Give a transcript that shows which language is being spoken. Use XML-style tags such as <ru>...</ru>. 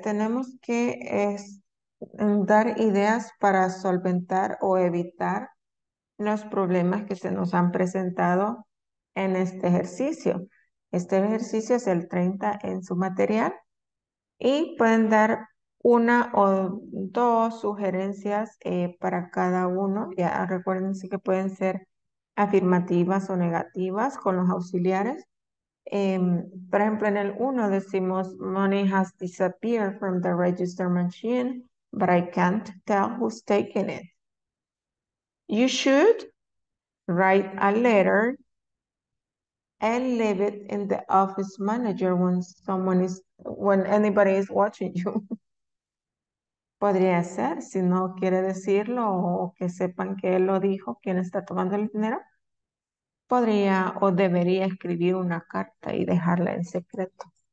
<es>Tenemos que dar ideas para solventar o evitar los problemas que se nos han presentado en este ejercicio. Este ejercicio es el 30 en su material. Y pueden dar una o dos sugerencias para cada uno. Ya recuérdense que pueden ser afirmativas o negativas con los auxiliares. Por ejemplo, en el 1 decimos,</es> <en>money has disappeared from the register machine, but I can't tell who's taking it. You should write a letter and leave it in the office manager when someone is, when anybody is watching you.</en> <es>Podría ser, si no quiere decirlo o que sepan que él lo dijo, quién está tomando el dinero, podría o debería escribir una carta y dejarla en secreto.</es>